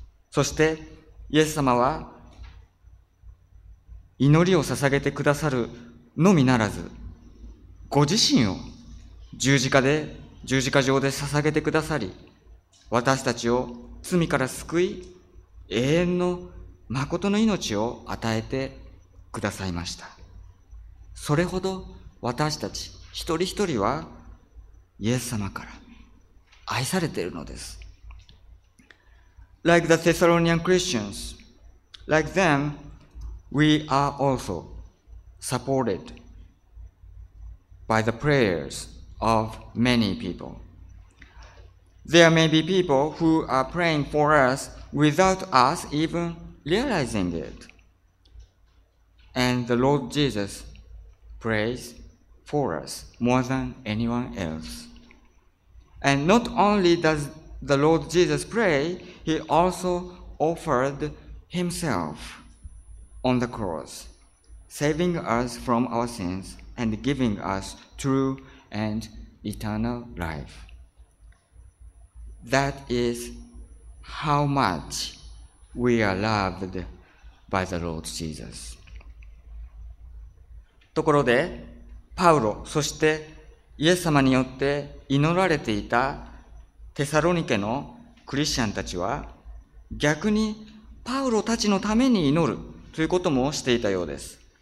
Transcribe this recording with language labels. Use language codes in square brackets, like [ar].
[ja] そしてイエス様は祈りを捧げてくださるのみならず、ご自身を十字架上で捧げてくださり、私たちを罪から救い、永遠の誠の命を与えてくださいました。それほど私たち一人一人はイエス様から愛されているのです。 [en] Like the Thessalonian Christians, like them, we are also supported by the prayers of many people. There may be people who are praying for us without us even realizing it. And the Lord Jesus prays for us more than anyone else. And not only does the Lord Jesus pray, he also offered himself on the cross, saving us from our sins and giving us true and eternal life. That is how much we are loved by the Lord Jesus. [ja] ところで、パウロ、そしてイエス様によって祈られていたテサロニケのクリスチャンたちは、逆にパウロたちのために祈るということもしていたようです。